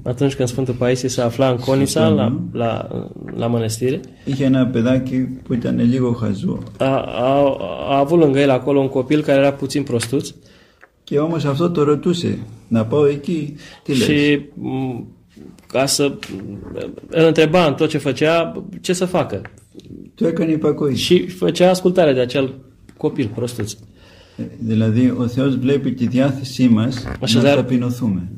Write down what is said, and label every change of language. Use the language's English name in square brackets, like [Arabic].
[Romanian] Atunci când Sfântul Paisie se afla în Κόνιτσα, la mănăstire, [Greek] είχε ένα παιδάκι που ήταν λίγο χαζό. [Romanian] A avut lângă el acolo un copil care era puțin prostuț. [Greek] Και όμως αυτό το ρωτούσε, να πάω εκεί, τι λες. [Romanian] Și ca să îl întreba în tot ce făcea, ce să facă. [Greek] Tu έκανε υπακοή. [Romanian] Și făcea ascultare de acel copil prostuț. [Greek] Δηλαδή ο Θεός βλέπει τη διάθεσή μας να ταπεινωθούμε.